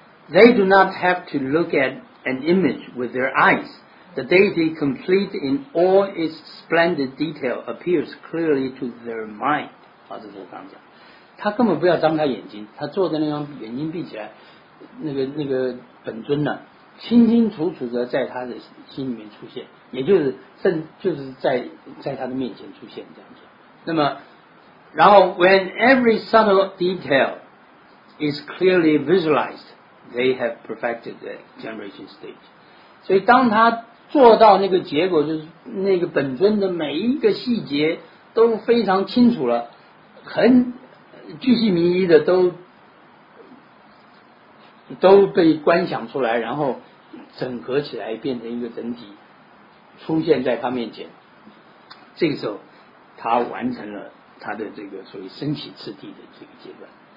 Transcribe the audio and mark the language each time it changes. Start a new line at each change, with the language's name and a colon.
English: They do not have to look at an image with their eyesThe deity complete in all its splendid detail appears clearly to their mind.
Chinese: 啊，这是我刚讲，他根本不要张开眼睛，他坐在那张眼睛闭起来，那个本尊呢，清清楚楚的在他的心里面出现，也就是在他的面前出现这样子。
English: 那么，然后 when every subtle detail is clearly visualized, they have perfected the generation stage.
Chinese: 所以当他做到那个结果，就是那个本尊的每一个细节都非常清楚了，很巨细靡遗的都被观想出来，然后整合起来变成一个整体出现在他面前，这个时候他完成了他的这个所谓身体次第的这个阶段。